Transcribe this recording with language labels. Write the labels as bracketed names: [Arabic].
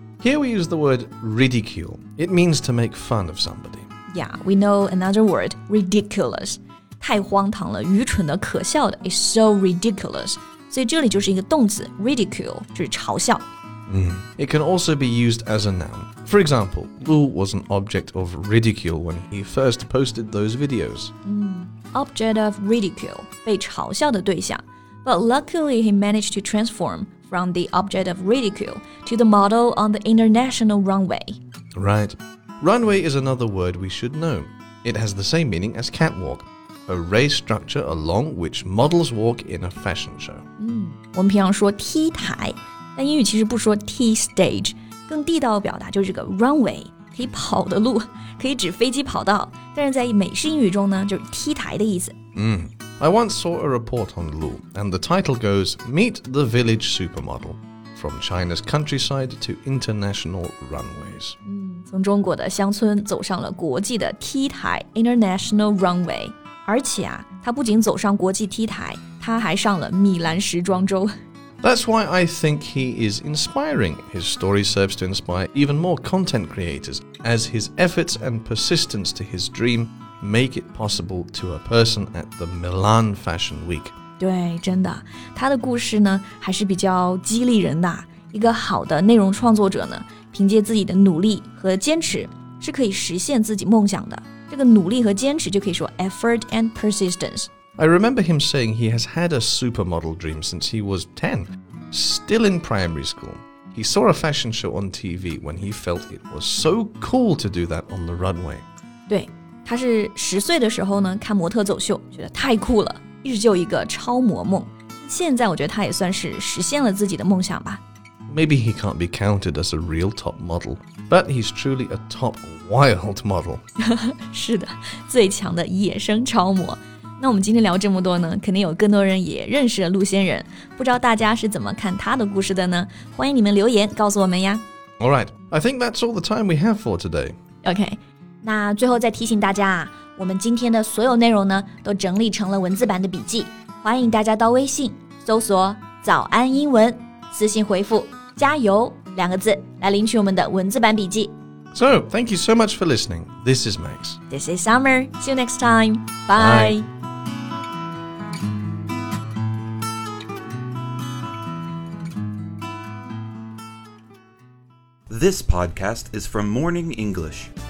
[English] Here we use the word ridicule. It means to make fun of somebody. Yeah, we know another word, ridiculous. [Chinese] 太荒唐了，愚蠢的，可笑的 [English] is so ridiculous. [Chinese] 所以这里就是一个动词 ridicule, 就是嘲笑。 [English] It can also be used as a noun. For example, Lou was an object of ridicule when he first posted those videos. Object of ridicule, [Chinese] 被嘲笑的对象。 [English] But luckily, he managed to transform. From the object of ridicule to the model on the international runway. Right. Runway is another word we should know. It has the same meaning as catwalk, a raised structure along which models walk in a fashion show. [Chinese] 我们平常说 T 台，但英语其实不说 T stage， 更地道的表达就是个 runway， 可以跑的路，可以指飞机跑道。但是在美式英语中呢，就是 T 台的意思。 [English] I once saw a report on Lou, and the title goes, Meet the Village Supermodel, from China's countryside to international runways. [Chinese] 从中国的乡村走上了国际的 T 台 [English] international runway. [Chinese] 而且啊，他不仅走上国际 T 台，他还上了米兰时装周。 [English] That's why I think he is inspiring. His story serves to inspire even more content creators, as his efforts and persistence to his dream... make it possible to a person at the Milan Fashion Week. [Chinese] 对，真的，他的故事呢还是比较激励人的。一个好的内容创作者呢，凭借自己的努力和坚持是可以实现自己梦想的。这个努力和坚持就可以说 [English] effort and persistence. I remember him saying he has had a supermodel dream since he was 10, still in primary school. He saw a fashion show on TV when he felt it was so cool to do that on the runway. [Chinese] 对。他是十岁的时候呢，看模特走秀，觉得太酷了，一直就有一个超模梦。现在我觉得他也算是实现了自己的梦想吧。 [English] Maybe he can't be counted as a real top model, but he's truly a top wild model. [Chinese] 是的，最强的野生超模。那我们今天聊这么多呢，肯定有更多人也认识了陆先人。不知道大家是怎么看他的故事的呢？欢迎你们留言告诉我们呀。 [English] All right, I think that's all the time we have for today. Okay. [Chinese] 那最后再提醒大家啊，我们今天的所有内容呢，都整理成了文字版的笔记，欢迎大家到微信搜索“早安英文”，私信回复“加油”两个字来领取我们的文字版笔记。 [English] So, thank you so much for listening. This is Max. This is Summer. See you next time. Bye. Bye. This podcast is from Morning English.